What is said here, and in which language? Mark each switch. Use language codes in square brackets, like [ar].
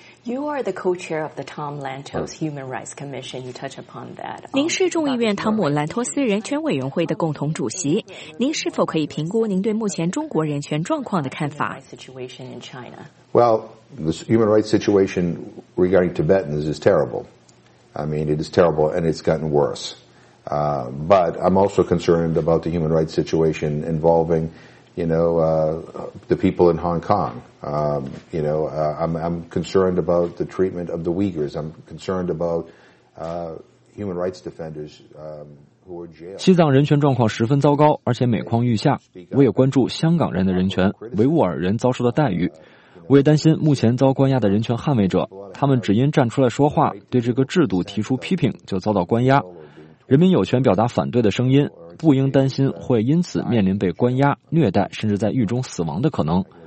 [en] You are the co-chair of the Tom Lantos Human Rights Commission. You touch upon that. [zh] 您是众议院汤姆·兰托斯人权委员会的共同主席，您是否可以评估您对目前中国人权状况的看法 [en] ？Situation in China. Well, the human rights situation regarding Tibetans is terrible. I mean, it is terrible, and it's gotten worse. But I'm also concerned about the human rights situation involving. The people in Hong Kong. I'm concerned about the treatment of the Uyghurs. I'm concerned about human rights defenders who are jailed. [zh] 西藏人权状况十分糟糕，而且每况愈下。我也关注香港人的人权，维吾尔人遭受的待遇。我也担心目前遭关押的人权捍卫者，他们只因站出来说话，对这个制度提出批评，就遭到关押。人民有权表达反对的声音，不应担心会因此面临被关押、虐待，甚至在狱中死亡的可能。